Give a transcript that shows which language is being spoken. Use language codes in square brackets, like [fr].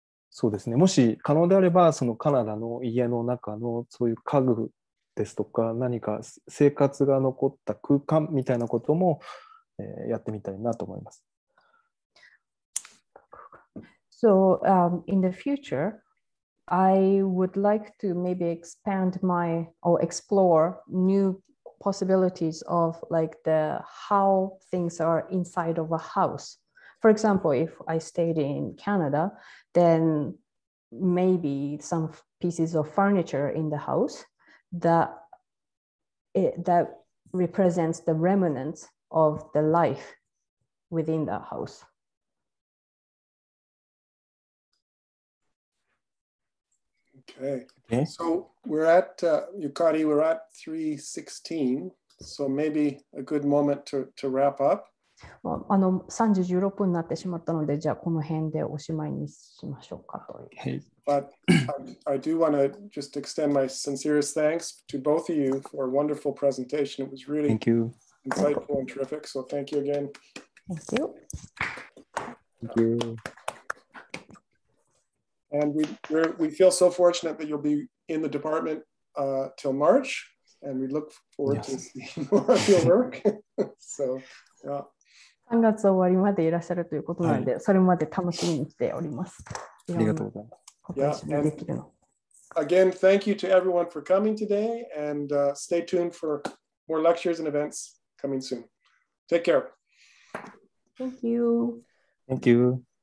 [ja] そうですね、もし可能であれば、そのカナダの家の中のそういう家具ですとか、何か生活が残った空間みたいなことも、やってみたいなと思います。 [en] So, in the future, I would like to maybe expand my or explore new possibilities of like the how things are inside of a house. For example, if I stayed in Canada, then maybe some pieces of furniture in the house that represents the remnants of the life within the house. Okay. So we're at Yukari, we're at 3:16. So maybe a good moment to wrap up. [ja] Well, あの36分になってしまったので、じゃあこの辺でおしまいにしましょうかと。 [en] Hey. But I do want to just extend my sincerest thanks to both of you for a wonderful presentation. It was really insightful and terrific. So thank you again. Thank you. Thank you. And we feel so fortunate that you'll be in the department till March, and we look forward to seeing more of your work. So, yeah. [ja] 3月終わりまでいらっしゃるということなんで、それまで楽しみにしております。ありがとうございます。今年もできるの。 [en] Again, thank you to everyone for coming today, and stay tuned for more lectures and events coming soon. Take care. Thank you. Thank you.